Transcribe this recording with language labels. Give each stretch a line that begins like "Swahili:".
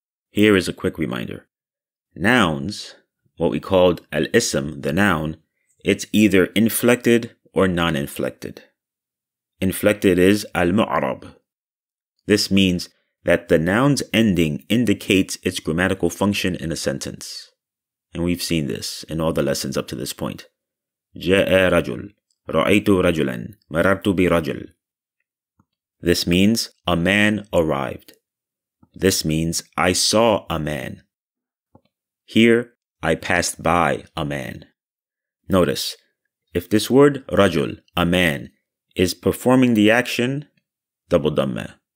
English: Here is a quick reminder. Nouns, what we called al-isim, the noun, it's either inflected or non-inflected. Inflected is al-mu'rab. This means that the noun's ending indicates its grammatical function in a sentence. And we've seen this in all the lessons up to this point.
Arabic: جاء رجل رأيت رجلا مررت برجل.
English: This means a man arrived. This means I saw a man. Here, I passed by a man. Notice, if this word rajul, a man, is performing the action, double dhamma.